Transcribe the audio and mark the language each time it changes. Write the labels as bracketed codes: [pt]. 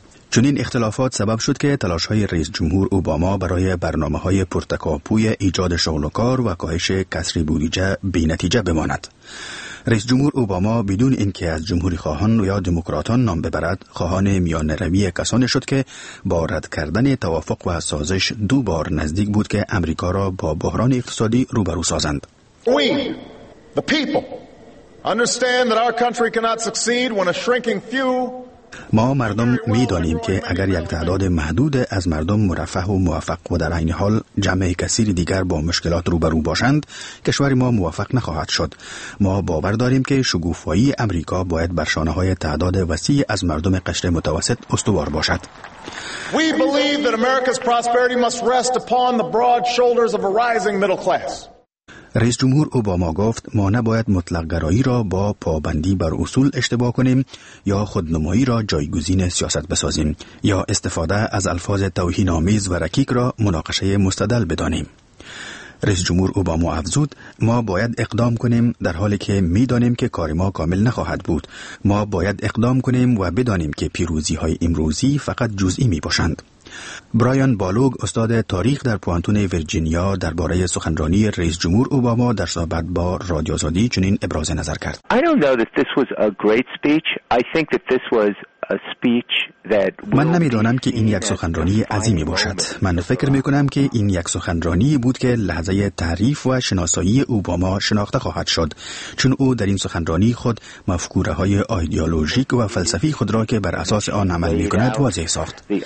[fa] چون این اختلافات سبب شد که تلاش‌های رئیس جمهور اوباما برای برنامه‌های پرتکاپوی ایجاد شغل و کار و کاهش کسری بودجه بی‌نتیجه بماند. رئیس جمهور اوباما بدون اینکه از جمهوری خواهان و یا دموکراتان نام ببرد، خواهان میانه‌روی کسانی شد که با رد کردن توافق و سازش 2 بار نزدیک بود که امریکا را با بحران اقتصادی روبرو سازند. [en] We, the people, understand that our country cannot succeed when a shrinking few. [fa] ما مردم می دانیم که اگر یک تعداد محدود از مردم مرفه و موفق و در عین حال جمع کثیر دیگر با مشکلات روبرو باشند، کشور ما موفق نخواهد شد. ما باور داریم که شکوفایی امریکا باید بر شانه های تعداد وسیع از مردم قشر متوسط استوار باشد. [en] We believe that America's prosperity must rest upon the broad shoulders of a rising middle class. [fa] رئیس جمهور اوباما گفت ما نباید مطلق گرایی را با پابندی بر اصول اشتباه کنیم یا خودنمایی را جایگزین سیاست بسازیم یا استفاده از الفاظ توهین‌آمیز و رکیک را مناقشه مستدل بدانیم. رئیس جمهور اوباما افزود ما باید اقدام کنیم در حالی که می دانیم که کار ما کامل نخواهد بود. ما باید اقدام کنیم و بدانیم که پیروزی های امروزی فقط جزئی می باشند. برایان بالوگ استاد تاریخ در پوانتون ویرجینیا درباره سخنرانی رئیس جمهور اوباما در صحبت با رادیو آزادی چنین ابراز نظر کرد. [en] I don't know that this was a great speech. I think that this was [fa] من نمیدانم که این یک سخنرانی عظیمی باشد. من فکر میکنم که این یک سخنرانی بود که لحظه تعریف و شناسایی اوباما شناخته خواهد شد، چون او در این سخنرانی خود مفکوره های ایدئولوژیک و فلسفی خود را که بر اساس آن عمل میکند واضح ساخت.